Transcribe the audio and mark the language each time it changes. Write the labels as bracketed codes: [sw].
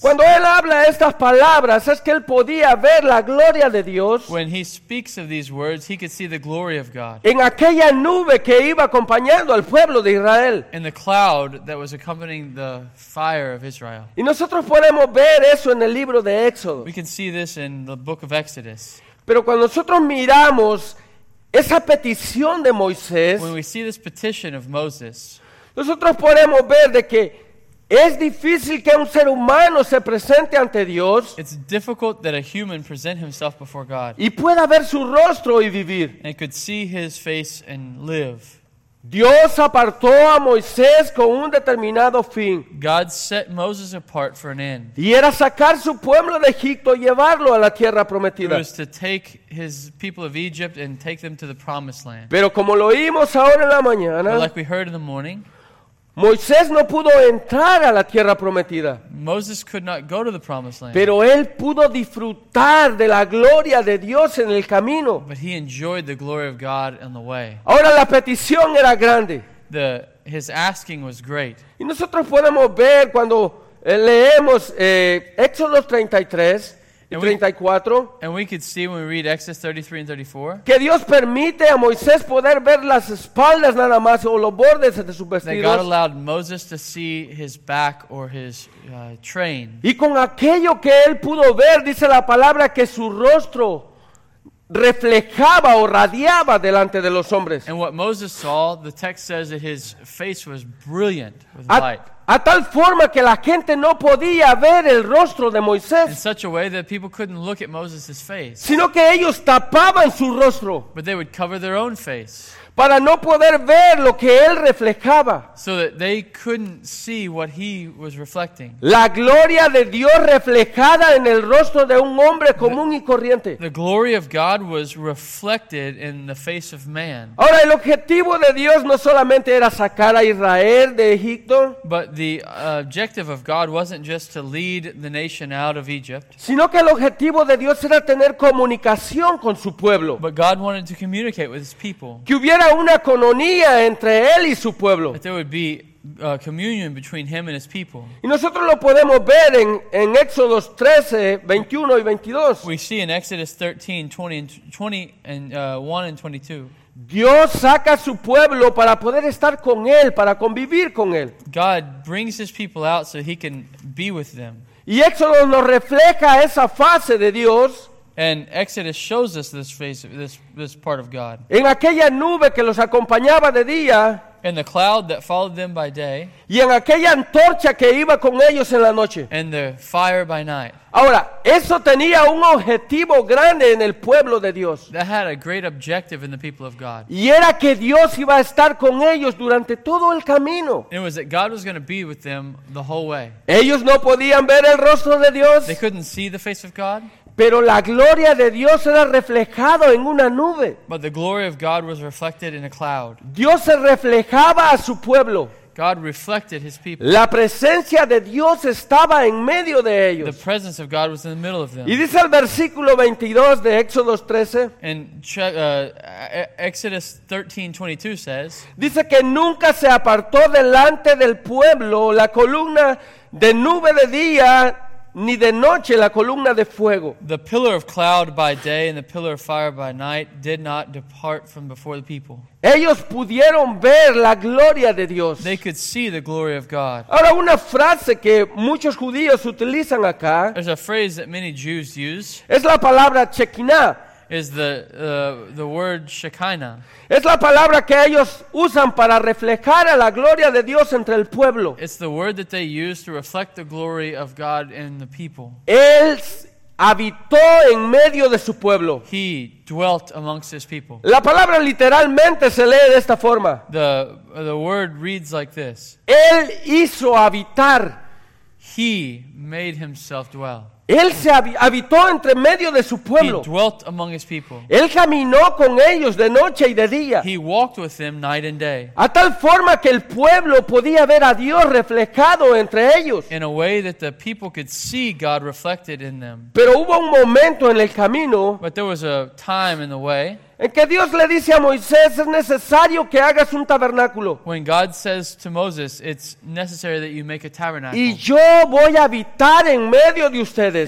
[es] Cuando él habla estas palabras, es que él podía ver la gloria de Dios. [en] When he speaks of these words, he could see the glory of God. [es] En aquella nube que iba acompañando al pueblo de Israel. [en] In the cloud that was accompanying the fire of Israel. [es] Y nosotros podemos ver eso en el libro de Éxodo. [en] We can see this in the Book of Exodus. [es] Pero cuando nosotros miramos esa petición de Moisés, [en] when we see this petition of Moses, [es] nosotros podemos ver de que es difícil que un ser humano se presente ante Dios. [en] It's difficult that a human present himself before God. [es] Y pueda ver su rostro y vivir. [en] And could see his face and live. [es] Dios apartó a Moisés con un determinado fin. [en] God set Moses apart for an end. [es] Y era sacar su pueblo de Egipto y llevarlo a la tierra prometida. [en] It was to take his people of Egypt and take them to the promised land. [es] Pero como lo oímos ahora en la mañana, [en] like we heard in the morning, [es] Moisés no pudo entrar a la tierra prometida. [en] Moses could not go to the promised land. [es] Pero él pudo disfrutar de la gloria de Dios en el camino. [en] But he enjoyed the glory of God on the way. [es] Ahora la petición era grande. [en] His asking was great. [es] Y nosotros podemos ver cuando leemos Éxodo 33 y 34. [en] And we could see when we read Exodus 33 and 34. [es] Que Dios permite a Moisés poder ver las espaldas nada más o los bordes de sus vestidos. [en] That God allowed Moses to see his back or his train. [es] Y con aquello que él pudo ver, dice la palabra que su rostro reflejaba o radiaba delante de los hombres. [en] And what Moses saw, the text says that his face was brilliant with light. [es] A tal forma que la gente no podía ver el rostro de Moisés. [en] In such a way that people couldn't look at Moses' face. [es] Sino que ellos tapaban su rostro. [en] But they would cover their own face. [es] Para no poder ver lo que él reflejaba. [en] So that they couldn't see what he was reflecting. [es] La gloria de Dios reflejada en el rostro de un hombre común y corriente. [en] The glory of God was reflected in the face of man. [es] Ahora, el objetivo de Dios no solamente era sacar a Israel de Egipto. [en] But the objective of God wasn't just to lead the nation out of Egypt. [es] Sino que el objetivo de Dios era tener comunicación con su pueblo. [en] But God wanted to communicate with his people. [es] Que hubiera una cononía entre él y su pueblo. [en] That there would be communion between him and his people. [es] Y nosotros lo podemos ver en Éxodo 13, 21 y 22. [en] We see in Exodus 13, 1 and 22. [es] Dios saca a su pueblo para poder estar con él, para convivir con él. [en] God brings his people out so he can be with them. [es] Y Éxodo nos refleja esa fase de Dios. [en] And Exodus shows us this face, this part of God. [es] En aquella nube que los acompañaba de día. [en] In the cloud that followed them by day. [es] Y en aquella antorcha que iba con ellos en la noche. [en] And the fire by night. [es] Ahora, eso tenía un objetivo grande en el pueblo de Dios. [en] That had a great objective in the people of God. [es] Y era que Dios iba a estar con ellos durante todo el camino. [en] It was that God was going to be with them the whole way. [es] Ellos no podían ver el rostro de Dios. [en] They couldn't see the face of God. [es] Pero la gloria de Dios era reflejado en una nube. [en] But the glory of God was reflected in a cloud. [es] Dios se reflejaba a su pueblo. [en] God reflected his people. [es] La presencia de Dios estaba en medio de ellos. [en] The presence of God was in the middle of them. [es] Y dice el versículo 22 de Éxodos 13. [en] And Exodus 13:22 says. [es] Dice que nunca se apartó delante del pueblo la columna de nube de día ni de noche la columna de fuego. [en] The pillar of cloud by day and the pillar of fire by night did not depart from before the people. [es] Ellos pudieron ver la gloria de Dios. [en] They could see the glory of God. [es] Ahora, una frase que muchos judíos utilizan acá. [en] There's a phrase that many Jews use. [es] Es la palabra Shekinah. [en] Is the word Shekinah. [es] Es la palabra que ellos usan para reflejar a la gloria de Dios entre el pueblo. [en] It's the word that they use to reflect the glory of God in the people. [es] Él habitó en medio de su pueblo. [en] He dwelt amongst his people. [es] La palabra literalmente se lee de esta forma. [en] The word reads like this. [es] Él hizo habitar. [en] He made himself dwell. [es] Él se habitó entre medio de su pueblo. [en] He dwelt among his people. [es] Él caminó con ellos de noche y de día. [en] He walked with them night and day. [es] A tal forma que el pueblo podía ver a Dios reflejado entre ellos. [en] In a way that the people could see God reflected in them. [es] Pero hubo un momento en el camino. [en] But there was a time in the way. [es] En que Dios le dice a Moisés, es necesario que hagas un tabernáculo. [en] When God says to Moses, it's necessary that you make a tabernacle. [es] Y yo voy a habitar en medio de ustedes.